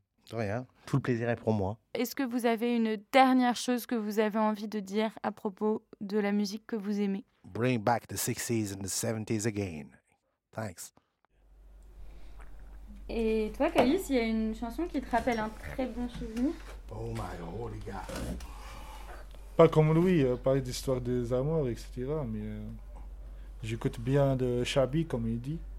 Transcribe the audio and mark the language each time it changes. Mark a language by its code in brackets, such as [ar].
[fr] De rien, tout le plaisir est pour moi. Est-ce que vous avez une dernière chose que vous avez envie de dire à propos de la musique que vous aimez? [en] Bring back the 60s and the 70s again. Thanks. [fr] Et toi, Calice, il y a une chanson qui te rappelle un très bon souvenir? [en] Oh my holy God. [fr] Pas comme Louis, parler d'histoire des amours, etc. Mais j'écoute bien de Chabi, comme il dit.